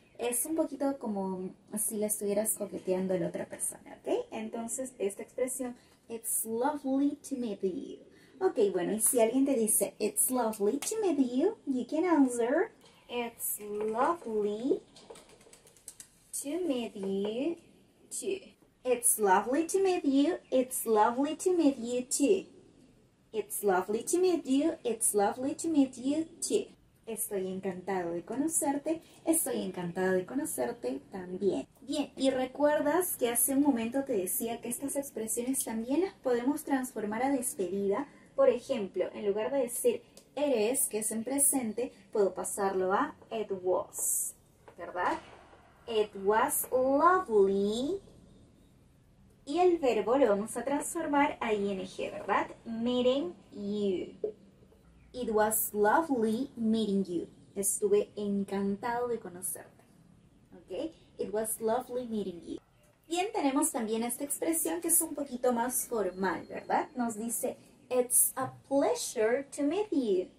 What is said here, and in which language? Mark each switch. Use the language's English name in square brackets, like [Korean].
[Spanish] Es un poquito como si le estuvieras coqueteando a la otra persona, ¿ok? Entonces, esta expresión, [English] It's lovely to meet you. [Spanish] Ok, bueno, y si alguien te dice, [English] It's lovely to meet you, you can answer, It's lovely to meet you too. It's lovely to meet you, it's lovely to meet you too. It's lovely to meet you, it's lovely to meet you too. [Spanish] Estoy encantado de conocerte, estoy encantado de conocerte también. Bien, y recuerdas que hace un momento te decía que estas expresiones también las podemos transformar a despedida. Por ejemplo, en lugar de decir eres, que es en presente, puedo pasarlo a [English] it was, [Spanish] ¿verdad? [English] It was lovely. [Spanish] Y el verbo lo vamos a transformar a ing, ¿verdad? [English] Meeting you. It was lovely meeting you. [Spanish] Estuve encantado de conocerte. ¿Ok? [English] It was lovely meeting you. [Spanish] Bien, tenemos también esta expresión que es un poquito más formal, ¿verdad? Nos dice, [English] It's a pleasure to meet you.